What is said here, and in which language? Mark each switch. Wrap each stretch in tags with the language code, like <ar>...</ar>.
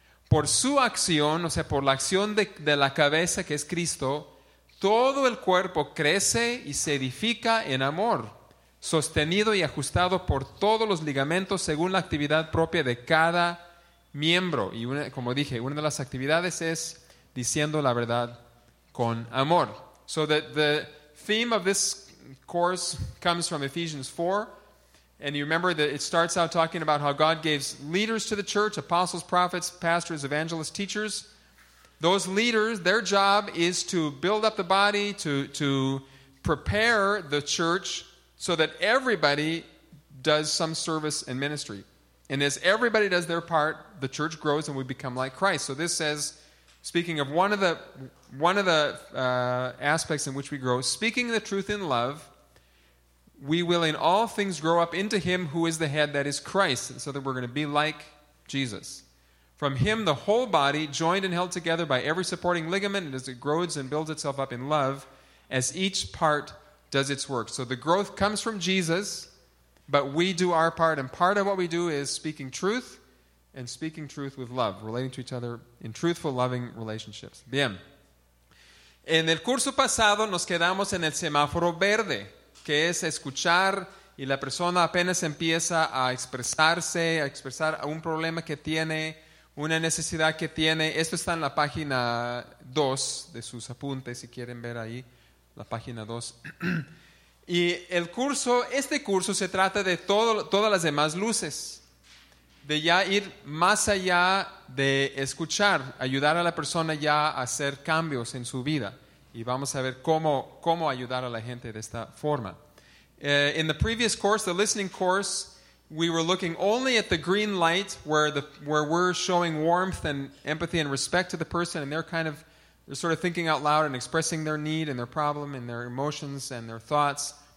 <es>Por su acción, o sea, por la acción de la cabeza que es Cristo, todo el cuerpo crece y se edifica en amor, sostenido y ajustado por todos los ligamentos según la actividad propia de cada miembro. Y una, como dije, una de las actividades es diciendo la verdad con amor.</es> <en>So the theme of this course comes from Ephesians 4. And you remember that it starts out talking about how God gives leaders to the church, apostles, prophets, pastors, evangelists, teachers. Those leaders, their job is to build up the body, to prepare the church so that everybody does some service and ministry. And as everybody does their part, the church grows and we become like Christ. So this says, speaking of one of the aspects in which we grow, speaking the truth in love, we will in all things grow up into him who is the head, that is Christ, so that we're going to be like Jesus. From him, the whole body, joined and held together by every supporting ligament, and as it grows and builds itself up in love, as each part does its work. So the growth comes from Jesus, but we do our part, and part of what we do is speaking truth, and speaking truth with love, relating to each other in truthful, loving relationships.</en> <es>Bien. En el curso pasado, nos quedamos en el semáforo verde, que es escuchar, y la persona apenas empieza a expresar un problema que tiene, una necesidad que tiene. Esto está en la página 2 de sus apuntes, si quieren ver ahí, la página 2. Y el curso, este curso se trata de todas las demás luces, de ya ir más allá de escuchar, ayudar a la persona ya a hacer cambios en su vida. Y vamos a ver cómo ayudar a la gente de esta forma.</es> <en>In the previous course, the listening course, we were looking only at the green light where we're showing warmth and empathy and respect to the person, and they're sort of thinking out loud and expressing their need and their problem and their emotions and their thoughts.</en>